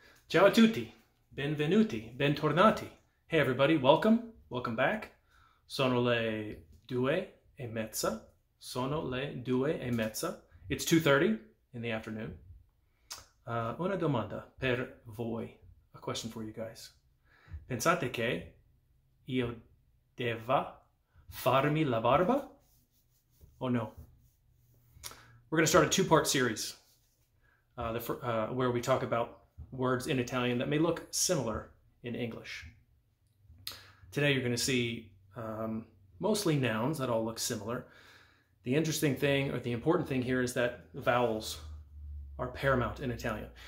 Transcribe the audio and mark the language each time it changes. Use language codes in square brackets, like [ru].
[it] Ciao a tutti, benvenuti, bentornati. [en] Hey everybody, welcome, welcome back. [it] Sono le due e mezza. Sono le due e mezza. [en] It's 2:30 in the afternoon. [it] Una domanda per voi. [en] A question for you guys. [it] Pensate che io deva farmi la barba? [en] Oh no. We're going to start a two-part series where we talk about words in Italian that may look similar in English. Today you're going to see mostly nouns that all look similar. The interesting thing, or the important thing here, is that vowels are paramount in Italian.